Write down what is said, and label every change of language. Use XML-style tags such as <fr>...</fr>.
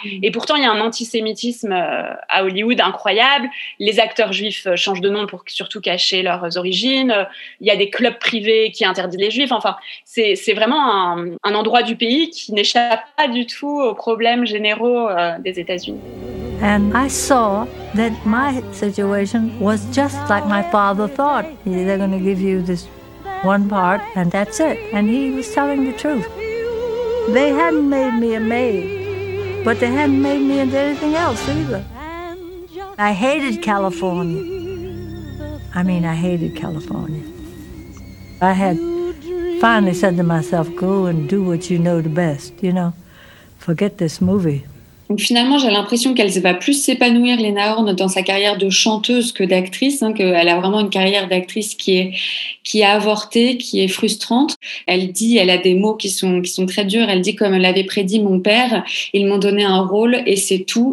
<fr>Et pourtant, il y a un antisémitisme à Hollywood incroyable. Les acteurs juifs changent de nom pour surtout cacher leurs origines. Il y a des clubs privés qui interdisent les juifs. Enfin, c'est vraiment un endroit du pays qui n'échappe pas du tout aux problèmes généraux des États-Unis.</fr> <en>And I saw that my situation was just like my father thought. They're going to give you this one part, and that's it. And he was telling the truth. They hadn't made me a maid, but they hadn't made me into anything else either. I hated California. I mean, I hated California. I had finally said to myself, go and do what you know the best, you know. Forget this movie.</en> <fr>Donc finalement, j'ai l'impression qu'elle va plus s'épanouir, Lena Horne, dans sa carrière de chanteuse que d'actrice, hein, qu'elle a vraiment une carrière d'actrice qui est avortée, qui est frustrante. Elle dit, elle a des mots qui sont très durs, elle dit, comme l'avait prédit mon père, ils m'ont donné un rôle et c'est tout.</fr>